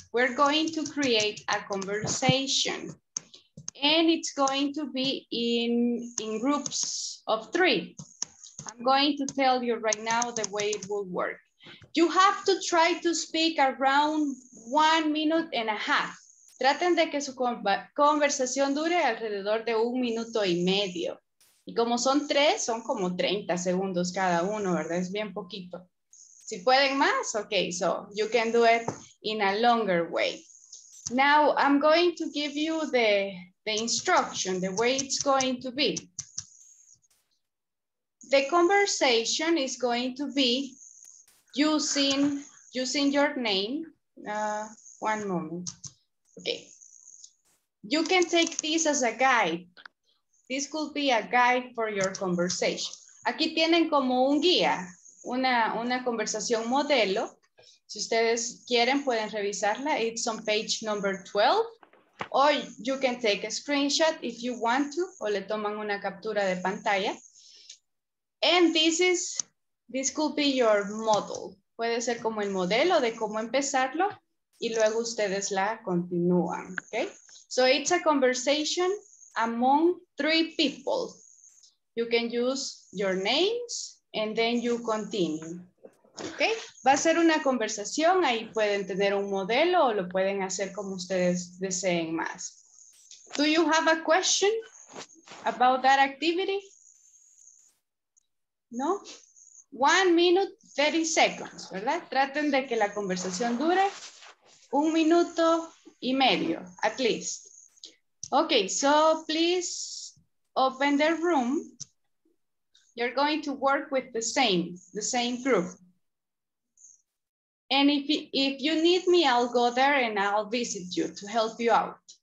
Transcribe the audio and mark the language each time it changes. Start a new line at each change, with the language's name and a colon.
English: We're going to create a conversation and it's going to be in groups of three. I'm going to tell you right now the way it will work. You have to try to speak around 1 minute and a half.
Spanish: Traten de que su conversación dure alrededor de un minuto y medio. Y como son tres, son como 30 segundos cada uno, ¿verdad? Es bien poquito. Si pueden más,
English: okay, so you can do it in a longer way. Now I'm going to give you the instruction, the way it's going to be. The conversation is going to be using your name. One moment. Okay. You can take this as a guide. This could be a guide for your conversation.
Spanish: Aquí tienen como un guía, una conversación modelo. Si ustedes quieren, pueden revisarla.
English: It's on page number 12. Or you can take a screenshot if you want to,
Spanish: o le toman una captura de pantalla.
English: And this could be your model.
Spanish: Puede ser como el modelo de cómo empezarlo y luego ustedes la continúan, okay?
English: So it's a conversation among three people. You can use your names and then you continue, okay?
Spanish: Va a ser una conversación, ahí pueden tener un modelo o lo pueden hacer como ustedes deseen más.
English: Do you have a question about that activity? No? 1 minute, 30 seconds,
Spanish: ¿verdad? Traten de que la conversación dure un minuto y medio,
English: at least. Okay, so please open the room. You're going to work with the same group. And if you need me, I'll go there and I'll visit you to help you out.